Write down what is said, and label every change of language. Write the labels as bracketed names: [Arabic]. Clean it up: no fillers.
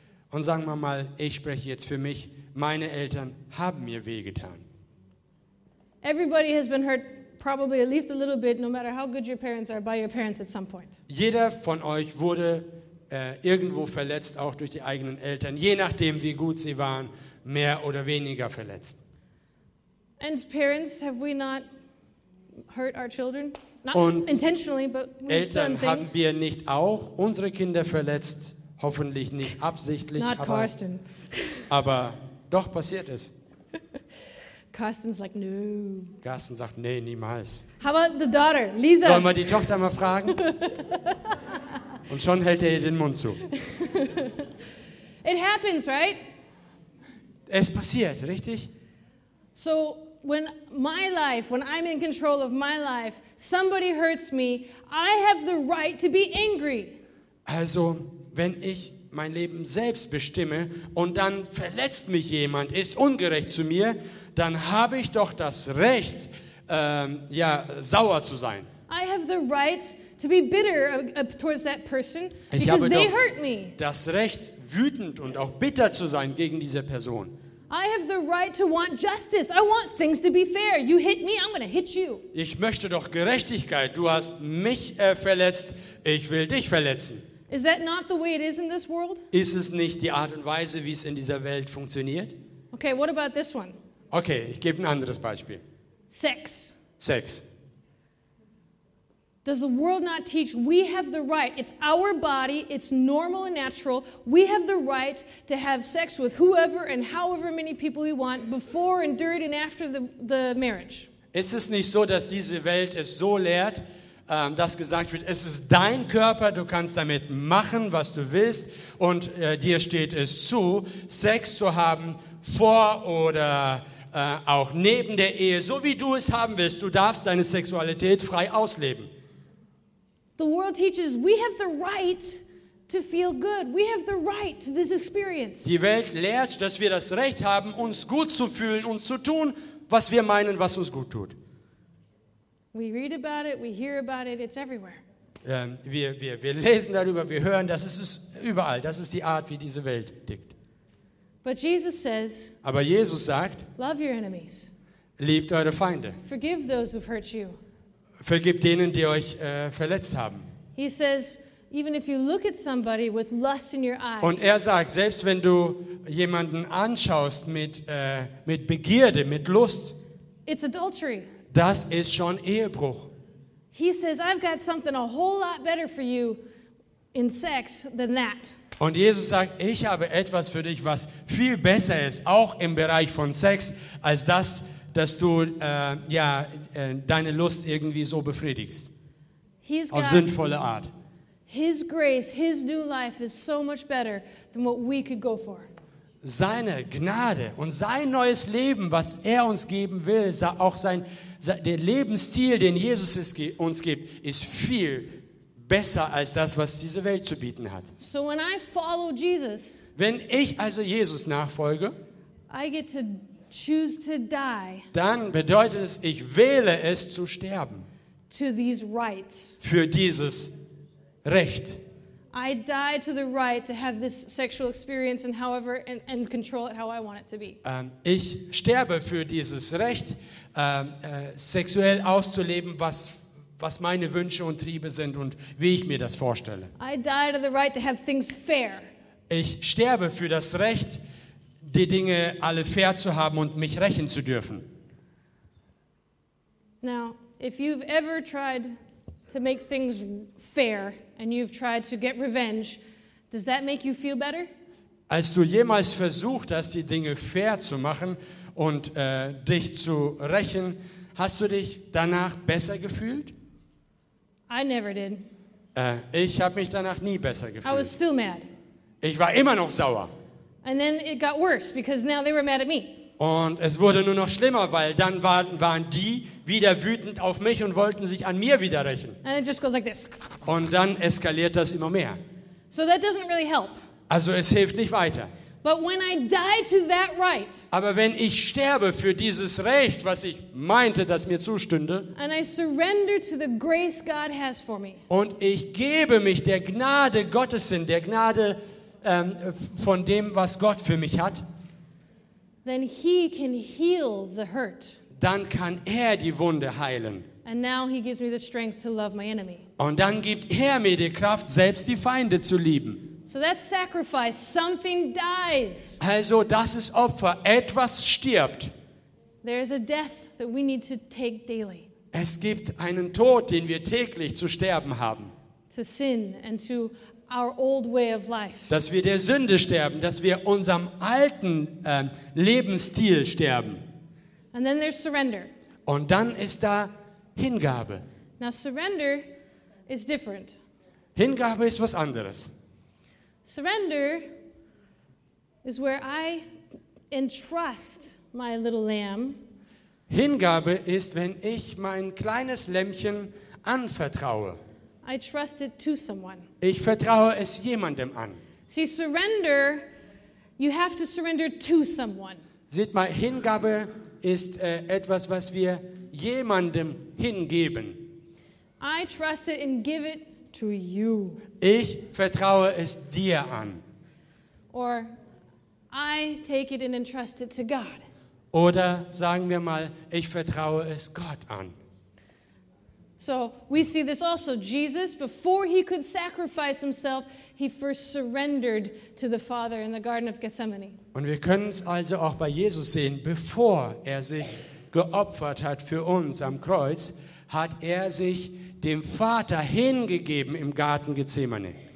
[German] Und sagen wir mal, ich spreche jetzt für mich, meine Eltern haben mir wehgetan. [English] Everybody has been hurt probably at least a little bit, no matter how good your parents are, by your parents at some point. [German] Jeder von euch wurde irgendwo verletzt, auch durch die eigenen Eltern, je nachdem, wie gut sie waren, mehr oder weniger verletzt. [English] And parents, have we not hurt our children? Not intentionally, but we've done things. [German] Eltern, haben wir nicht auch unsere Kinder verletzt? Hoffentlich nicht absichtlich, aber doch passiert es. [English] Carsten's like, no. [German] Carsten sagt, nee, niemals. [English] How about the daughter, Lisa? [German] Sollen wir die Tochter mal fragen? Und schon hält er ihr den Mund zu. [English] It happens, right? [German] Es passiert, richtig? [English] So, when I'm in control of my life, somebody hurts me, I have the right to be angry. [German] Also, wenn ich mein Leben selbst bestimme und dann verletzt mich jemand, ist ungerecht zu mir, dann habe ich doch das Recht, sauer zu sein. [English] I have the right to be bitter towards that person, because [German] ich habe [English] they [German] doch [English] hurt me. [German] Das Recht, wütend und auch bitter zu sein gegen diese Person. [English] I have the right to want justice. I want things to be fair. You hit me, I'm going to hit you. [German] Ich möchte doch Gerechtigkeit. Du hast mich verletzt, ich will dich verletzen. [English] Is that not the way it is in this world? [German] Ist es nicht die Art und Weise, wie es in dieser Welt funktioniert? [English] Okay, what about this one? [German] Okay, ich gebe ein anderes Beispiel. [English] Sex. Does the world not teach we have the right? It's our body, it's normal and natural. We have the right to have sex with whoever and however many people we want before and during and after the marriage. [German] Ist es nicht so, dass diese Welt es so lehrt, dass gesagt wird, es ist dein Körper, du kannst damit machen, was du willst und dir steht es zu, Sex zu haben vor oder auch neben der Ehe, so wie du es haben willst. Du darfst deine Sexualität frei ausleben. [English] The world teaches we have the right to feel good. We have the right to this experience. [German] Die Welt lehrt, dass wir das Recht haben, uns gut zu fühlen und zu tun, was wir meinen, was uns gut tut. [English] We read about it, we hear about it, it's everywhere. [German] Wir lesen darüber, wir hören, das ist es überall. Das ist die Art, wie diese Welt tickt. [English] But Jesus says, [German] aber Jesus sagt, [English] love your enemies. [German] Liebt eure Feinde. [English] Forgive those who've hurt you. [German] Vergibt denen, die euch verletzt haben. [English] He says, even if you look at somebody with lust in your eye. [German] Und er sagt, selbst wenn du jemanden anschaust mit Begierde, mit Lust. [English] It's adultery. [German] Das ist schon Ehebruch. [English] He says, I've got something a whole lot better for you in sex than that. [German] Und Jesus sagt, ich habe etwas für dich, was viel besser ist, auch im Bereich von Sex, als das, dass du deine Lust irgendwie so befriedigst. [English] He's [German] auf sinnvolle Art. [English] His grace, his new life is so much better than what we could go for. [German] Seine Gnade und sein neues Leben, was er uns geben will, auch der Lebensstil, den Jesus uns gibt, ist viel besser als das, was diese Welt zu bieten hat. [English] So when I follow Jesus, [German] wenn ich also Jesus nachfolge, [English] I get to choose to die. [German] Dann bedeutet es, ich wähle es zu sterben. [English] To these rights. [German] Für dieses Recht. [English] I die to the right to have this sexual experience and however and control it how I want it to be. [German] Ich sterbe für dieses Recht, sexuell auszuleben, was meine Wünsche und Triebe sind und wie ich mir das vorstelle. [English] I die to the right to have things fair. [German] Ich sterbe für das Recht, die Dinge alle fair zu haben und mich rächen zu dürfen. [English] Now, if you've ever tried to make things fair and you've tried to get revenge, does that make you feel better? [German] Als du jemals versucht hast, die Dinge fair zu machen und dich zu rächen, hast du dich danach besser gefühlt? [English] I never did. [German] Ich habe mich danach nie besser gefühlt. [English] I was still mad. [German] Ich war immer noch sauer. [English] And then it got worse because now they were mad at me. [German] Und es wurde nur noch schlimmer, weil dann waren die wieder wütend auf mich und wollten sich an mir wieder rächen. [English] And it just goes like this. [German] Und dann eskaliert das immer mehr. [English] So that doesn't really help. [German] Also es hilft nicht weiter. [English] But when I die to that right, [German] aber wenn ich sterbe für dieses Recht, was ich meinte, das mir zustünde, [English] and I surrender to the grace God has for me, [German] und ich gebe mich der Gnade Gottes hin, der Gnade von dem, was Gott für mich hat, [English] then he can heal the hurt. [German] Dann kann er die Wunde heilen. [English] And now he gives me the strength to love my enemy. [German] Und dann gibt er mir die Kraft, selbst die Feinde zu lieben. [English] So that sacrifice, something dies. [German] Also das ist Opfer, etwas stirbt. [English] There is a death that we need to take daily. [German] Es gibt einen Tod, den wir täglich zu sterben haben. [English] To sin and to our old way of life. [German] Dass wir der Sünde sterben, dass wir unserem alten Lebensstil sterben. [English] And then there's surrender. [German] Und dann ist da Hingabe. [English] Now surrender is different. [German] Hingabe ist was anderes. [English] Surrender is where I entrust my little lamb. [German] Hingabe ist, wenn ich mein kleines Lämmchen anvertraue. [English] I trust it to someone. [German] Ich vertraue es jemandem an. [English] See, surrender, you have to surrender to someone. [German] Seht mal, Hingabe ist etwas, was wir jemandem hingeben. [English] I trust it and give it to you. [German] Ich vertraue es dir an. [English] Or I take it and entrust it to God. [German] Oder sagen wir mal, ich vertraue es Gott an. [English] So we see this also. Jesus, before he could sacrifice himself, he first surrendered to the Father in the Garden of Gethsemane. [German] Und wir können es also auch bei Jesus sehen, bevor er sich geopfert hat für uns am Kreuz, hat er sich dem Vater hingegeben im Garten Gethsemane.